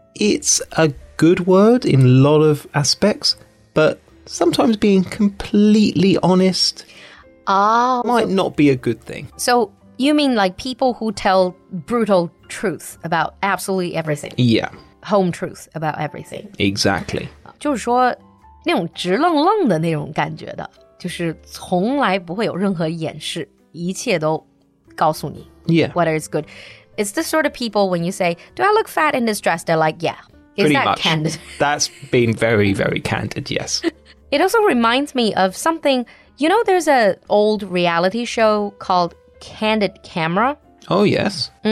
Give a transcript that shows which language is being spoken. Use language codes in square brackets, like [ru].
[en] It's a good word in a lot of aspects, but sometimes being completely honest might not be a good thing. So... You mean like people who tell brutal truth about absolutely everything? Yeah. Home truth about everything. Exactly. [zh] 就是说那种直愣愣的那种感觉的就是从来不会有任何掩饰一切都告诉你 [en] Yeah. Whether it's good. It's the sort of people when you say, do I look fat in this dress? They're like, yeah. Is Pretty that much. Candid? That's been very, very candid, yes. It also reminds me of something, you know, there's an old reality show calledCandid camera. Oh, yes.